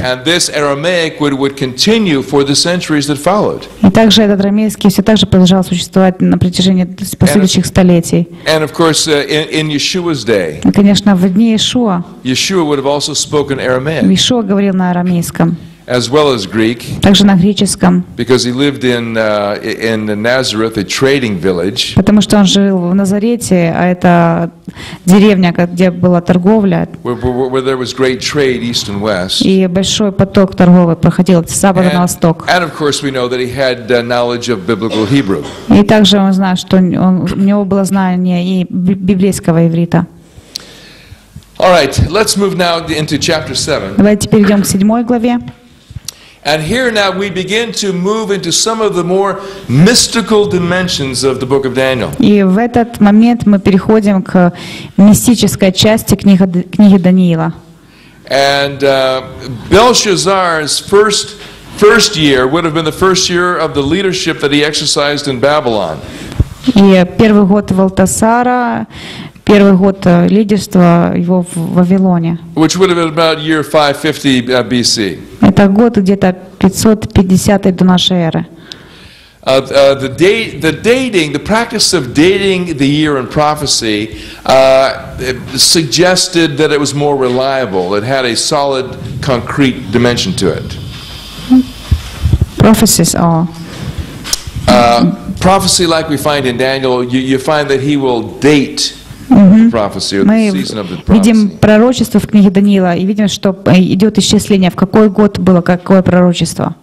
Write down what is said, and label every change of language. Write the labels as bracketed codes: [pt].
[en] And this Aramaic would continue for the centuries that followed. [ru] И также этот арамейский все также продолжал существовать на протяжении последующих столетий. [en] And of course, in Yeshua's day. [ru] И, конечно, в дни Иешуа. [en] Yeshua would have also spoken Aramaic. [ru] Иешуа говорил на арамейском. [en] As well as Greek, [ru] также на греческом, [en] because he lived in Nazareth, a trading village. [ru] Потому что он жил в Назарете, а это деревня, где была торговля. [en] Where there was great trade east and west. [ru] И большой поток торговый проходил с запада на восток. [en] And of course, we know that he had knowledge of biblical Hebrew. [ru] И также он знал, что у него было знание и библейского иврита. [en] All right, let's move now into chapter 7. [ru] Давайте перейдем к седьмой главе. [en] And here now we begin to move into some of the more mystical dimensions of the book of Daniel. [ru] И в этот момент мы переходим к мистической части книги Даниила. [en] And Belshazzar's first year would have been the first year of the leadership that he exercised in Babylon. [ru] И первый год Валтасара, первый год лидерства его в Вавилоне. [en] Which would have been about year 550 BC. [ru] Это год где-то 550 до нашей эры. [en] The dating, the practice of dating the year in prophecy suggested that it was more reliable. It had a solid, concrete dimension to it. Prophecies are. Prophecy, like we find in Daniel, you find that he will date. [ru] Мы видим пророчество в книге Даниила и видим, что идет исчисление, в какой год было какое пророчество.